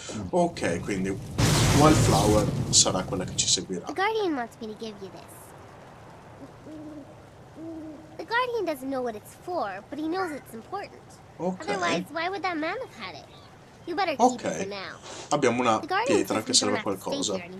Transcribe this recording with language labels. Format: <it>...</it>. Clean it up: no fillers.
<it>Ok, quindi Wildflower sarà quella che ci seguirà.</it> <en>The Guardian wants me to give you this. The Guardian doesn't know what it's for, but he knows it's important. Ok. Otherwise, why would that man have had it? You better keep it for now.</en> <it>Abbiamo una pietra che serve a qualcosa.</it>